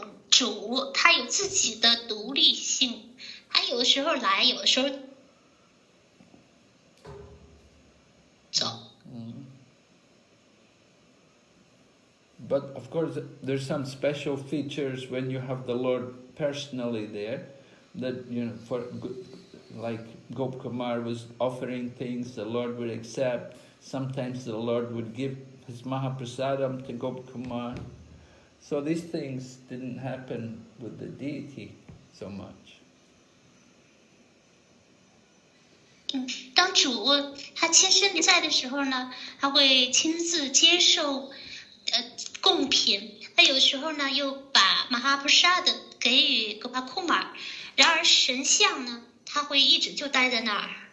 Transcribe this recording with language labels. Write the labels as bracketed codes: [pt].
[zh] 主他有自己的独立性，他有的时候来，有的时候走。 [en] But of course, there's some special features when you have the Lord personally there, that you know, for like Gop Kumar was offering things, the Lord would accept. Sometimes the Lord would give his Mahaprasadam to Gop Kumar. So these things didn't happen with the deity so much. [zh] 当主他亲身临在的时候呢，他会亲自接受，贡品。他有时候呢，又把马哈普沙的给予格巴库玛。然而神像呢，他会一直就待在那儿。